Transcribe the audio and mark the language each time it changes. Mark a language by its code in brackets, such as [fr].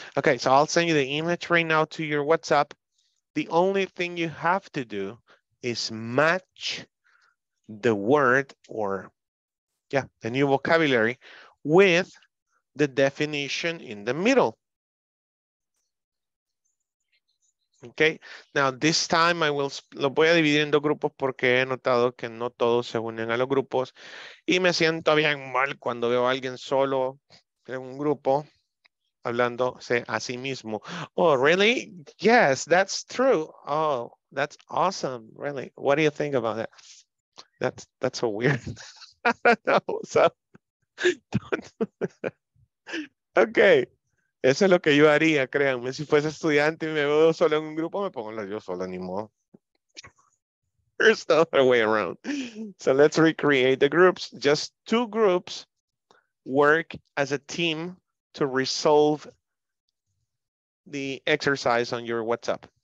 [en] Okay, so I'll send you the image right now to your WhatsApp. The only thing you have to do is match the word the new vocabulary with the definition in the middle. Okay, now this time I will, [es] lo voy a dividir en dos grupos porque he notado que no todos se unen a los grupos y me siento bien mal cuando veo a alguien solo en un grupo hablándose a sí mismo. [en] Oh, really? Yes, that's true. Oh, that's awesome, really. What do you think about that? That's so weird. I don't know, so don't. [es] Okay. Eso es lo que yo haría, créanme. Si fuese estudiante y me veo solo en un grupo, me pongo yo solo, ni modo. [en] There's no other way around. So let's recreate the groups. Just two groups work as a team to resolve the exercise on your WhatsApp.